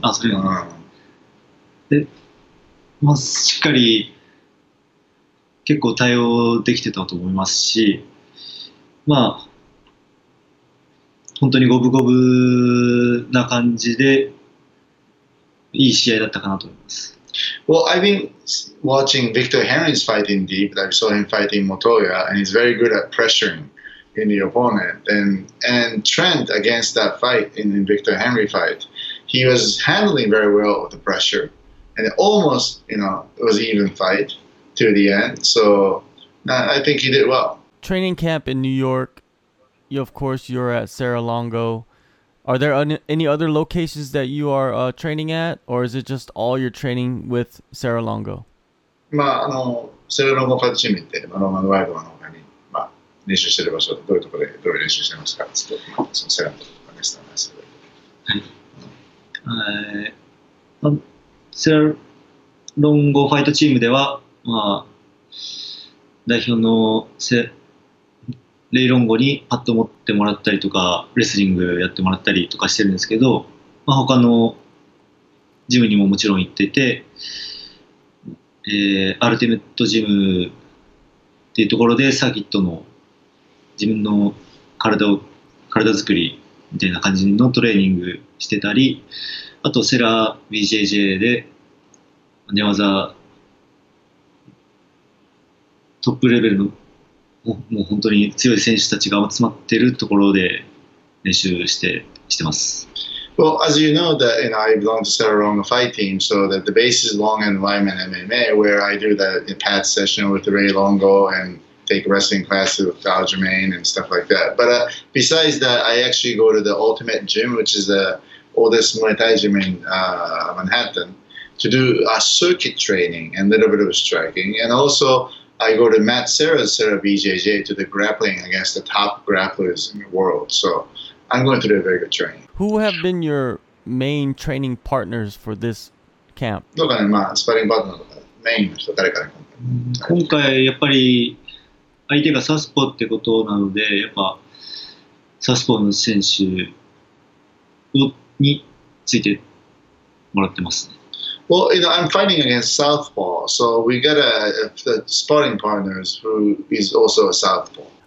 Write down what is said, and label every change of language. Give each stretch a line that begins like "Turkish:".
Japanese: あ、それは、ね、で、まあ、しっかり結構対応できてたと思いますし、まあ本当に五分五分な感じでいい試合だったかなと思います。
English: Well, I've been watching Victor Henry's fighting deep. I saw him fighting Motoya, and he's very good at pressuring in the opponent. And Trent against that fight in Victor Henry fight, he was handling very well the pressure, and it almost, you know, it was an even fight to the end. So I think he did well. Training camp in New York. You, of course, you're at Cerro Longo. Are there any other locations that you are training at, or is it just all your training with Cerro Longo?
Japanese: まああのセロロンゴファイトチームってロマンワイドの他にまあ練習してる場所どういうところでどういう練習してますか？つってまあそのセロンゴとかネスタンダースで。はい。セロロンゴファイトチームではまあ代表のレイロンゴにパッド持ってもらったりとかレスリングやってもらったりとかしてるんですけど、まあ、他のジムにももちろん行ってて、アルティメットジムっていうところでサーキットの自分の体作りみたいな感じのトレーニングしてたり、あとセラー BJJ で寝技トップレベルのもう本当に強い選手たちが集まっているところで練習してます。
English: Well, as you know, that you know, I belong to Cerro Longo fight team, so that the base is Long and Lyman MMA, where I do that in pad session with Ray Longo and take wrestling classes with Al Jermaine and stuff like that. But besides that, I actually go to the Ultimate Gym, which is the oldest Muay Thai gym in Manhattan, to do a circuit training and a little bit of striking, and also. I go to Matt Serra's Serra BJJ to the grappling against the top grapplers in the world. So I'm going through a very good training. Who have been your main training partners for this camp?
Japanese: どうかね、まあ、スパリングパートナーとか、メインの人、誰かに。今回、やっぱり相手がサスポーってことなので、やっぱサスポーの選手についてもらってますね。
English: Well, you know, I'm fighting against Southpaw, so we got a sparring partner who is also a Southpaw.